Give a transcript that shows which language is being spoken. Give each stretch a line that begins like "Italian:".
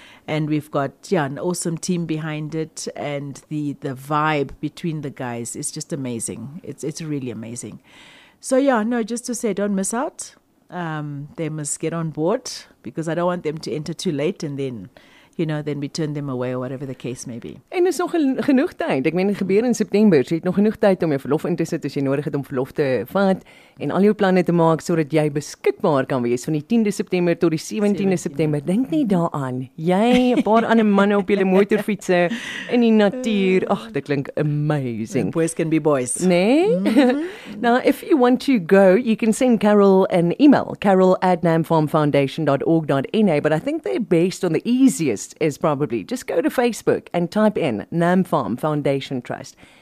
English: And we've got, an awesome team behind it. And the vibe between the guys is just amazing. It's really amazing. So, just to say, don't miss out. They must get on board, because I don't want them to enter too late and then, you know, then we turn them away or whatever the case may be.
Afrikaans: En is nog genoeg tyd. Ek meen, dit gebeur in September. So jy het nog genoeg tyd om jou verlof in te sit as jy nodig het om verlof te vat en al jou planne te maak sodat jy beskikbaar kan wees van die 10de September tot die 17de September. Dink nie daaraan. Jy, 'n paar ander manne op julle motorfietse in die natuur. Ag, dit klink amazing.
English: Boys can be boys.
Afrikaans: Nee?
English: Now, if you want to go, you can send Carol an email, carol@namfarmfoundation.org.na, but I think they're based on the easiest is probably just go to Facebook and type in Nam Farm Foundation Trust.